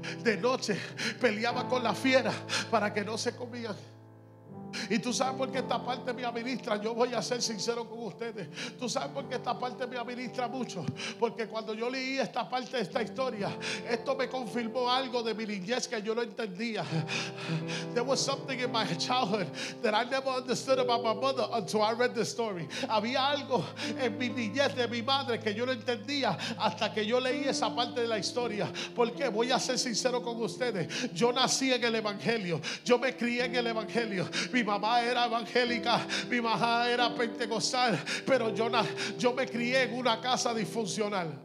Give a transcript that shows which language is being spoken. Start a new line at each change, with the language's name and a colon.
Spanish: De noche peleaba con las fieras para que no se comían. Y tú sabes por qué esta parte me administra. Yo voy a ser sincero con ustedes. Tú sabes por qué esta parte me administra mucho. Porque cuando yo leí esta parte de esta historia, esto me confirmó algo de mi niñez que yo no entendía.
English: There was something in my childhood that I never understood about my mother until I read the story.
Spanish: Había algo en mi niñez de mi madre que yo no entendía hasta que yo leí esa parte de la historia. Porque voy a ser sincero con ustedes. Yo nací en el evangelio. Yo me crié en el evangelio. Mi mamá era evangélica, mi mamá era pentecostal, pero yo me crié en una casa disfuncional.